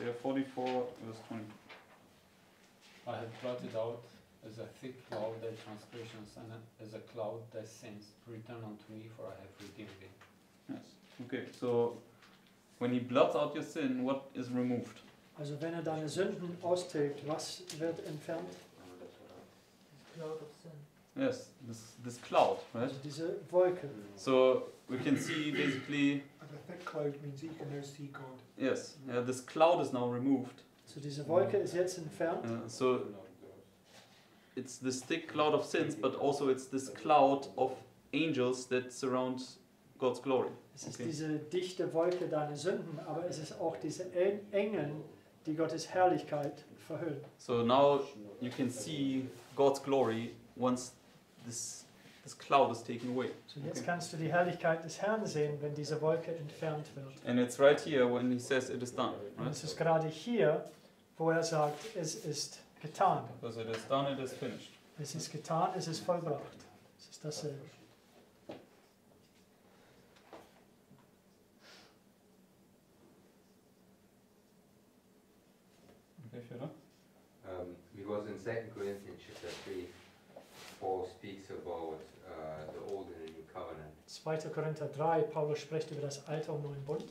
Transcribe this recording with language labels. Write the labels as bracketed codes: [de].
[en] Isaiah 44, verse 22. I have blotted out as a thick cloud thy transgressions, and as a cloud thy sins. Return unto me, for I have redeemed thee. Yes. Okay, so when he blots out your sin, what is removed? [de] Also wenn deine Sünden austilgt, was wird entfernt? [en] The cloud of sin. Yes, this cloud, right? [de] Diese Wolke. [en] So we can see basically. A thick cloud means you can now see God. Yes, this cloud is now removed. [de] So diese Wolke ist jetzt entfernt. [en] So it's this thick cloud of sins, but also it's this cloud of angels that surround God's glory. [de] Es ist diese dichte Wolke deiner Sünden, aber es ist auch diese Engel, die Gottes Herrlichkeit verhüllen. [en] So now you can see God's glory. Once this cloud is taken away. [de] So jetzt kannst du die Herrlichkeit des Herrn sehen, wenn diese Wolke entfernt wird. [en] And it's right here when he says it is done. Right? [de] Und es ist gerade hier, wo er sagt, es ist getan. [en] Because it is done, it is finished. [de] Es ist getan, es ist vollbracht. Es ist dasselbe. [en] Okay, Fiona? It was in 2 Corinthians chapter 3. Paul speaks about the old and the new covenant. [de] 2. Korinther 3, Paulus spricht über das alte und neue Bund.